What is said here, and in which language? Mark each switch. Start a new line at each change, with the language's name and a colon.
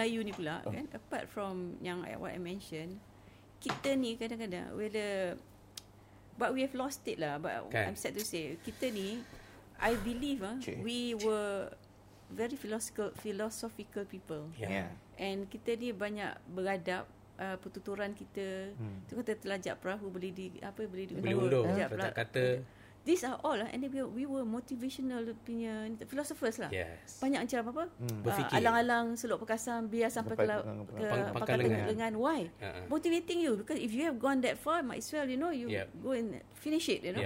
English: Melayu ni pula kan, apart from yang what I mentioned,
Malay: kita ni kadang-kadang
English: but we have lost it lah. But okay. I'm sad to say, kita ni, I believe we were very philosophical people. Yeah.
Malay: And kita ni banyak beradab, pertuturan kita. Tu kata telajak perahu boleh di apa boleh di undur. Kata
English: these are all, and we were motivational punya philosophers lah. Yes.
Malay: Banyak cara apa? Berfikir. Alang-alang, seluk pekasam, biar sampai ke pakar lengan.
English: Why? Motivating you. Because if you have gone that far, might as well, you know, you go and finish it, you know.